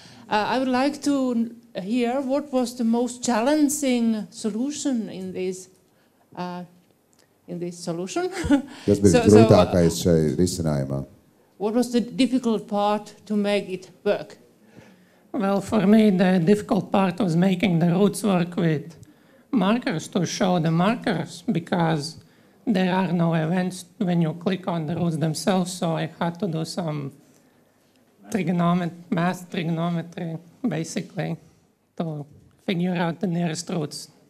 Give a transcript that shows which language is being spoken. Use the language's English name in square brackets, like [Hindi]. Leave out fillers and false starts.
[English] I would like to hear what was the most challenging solution in this solution. [Latvian] Kas bija grūtākais šai risinājumā? [English] What was the difficult part to make it work? Well, for me, the difficult part was making the roots work with markers, to show the markers, because there are no events when you click on the roots themselves, so I had to do some mass trigonometry, basically, to figure out the nearest roots.